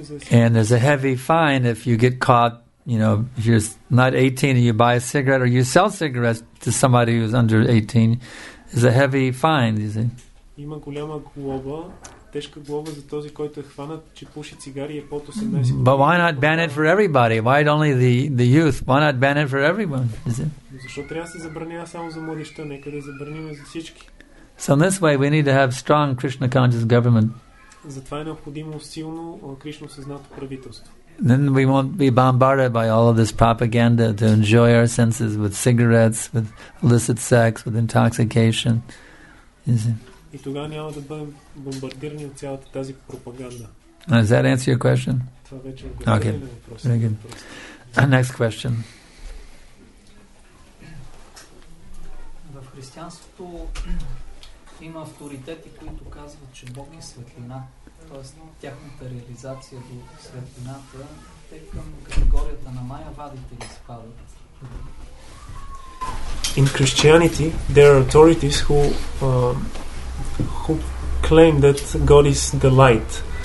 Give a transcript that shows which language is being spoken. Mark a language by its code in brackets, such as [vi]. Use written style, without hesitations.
[en] And there's a heavy fine if you get caught, you know, if you're not 18 and you buy a cigarette or you sell cigarettes to somebody who's under 18, is a heavy fine, you see. [bg] Има голяма глоба, тежка глоба за този, който е хванат, че пуши цигари и е под 18 години. [en] But why not ban it for everybody? Why only the youth? Why not ban it for everyone? Is it? [bg] Защо трябва да се забранява само за младеща? Нека да забраним за всички. [en] So in this way we need to have strong Krishna conscious government. [bg] Затова е необходимо силно Кришна съзнато правителство. [en] Then we won't be bombarded by all of this propaganda to enjoy our senses with cigarettes, with illicit sex, with intoxication. Is it? [bg] И тогава няма да бъдем бомбардирани от цялата тази пропаганда. [en] Does that answer your question? [bg] Това вече е отговор на въпроса. [en] Very good. Next question. [bg] В християнството има авторитети, които казват, че Бог е светлина. Тоест, тяхната реализация до светлината, те към категорията на майявадите ли спадат? [en] In Christianity, there are authorities who claim that God is the light.